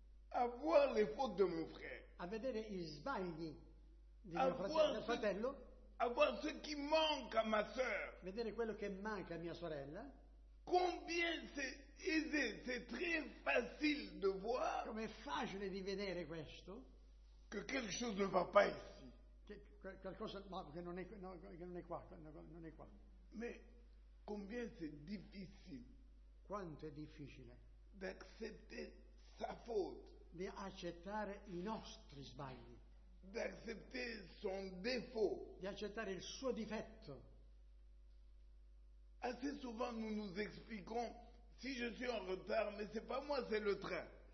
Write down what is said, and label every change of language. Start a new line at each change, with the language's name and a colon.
French: À voir les fautes de mon frère.
Italian: A vedere i sbagli di mio fratello.
French: À voir ce qui manque à ma sœur.
Italian: Vedere quello che manca a mia sorella.
French: Combien c'est aisé, c'est très facile de voir.
Italian: Com'è facile di vedere questo.
French: Que quelque chose ne va pas ici.
Italian: Che qualcosa non è qua.
French: Mais combien c'est difficile.
Italian: Quanto è difficile.
French: D'accepter sa faute.
Italian: Di accettare i nostri sbagli.
French: D'accepter son défaut.
Italian: Di accettare il suo difetto.
French: Assez souvent nous nous expliquons si je suis en retard, mais c'est pas moi, c'est le train.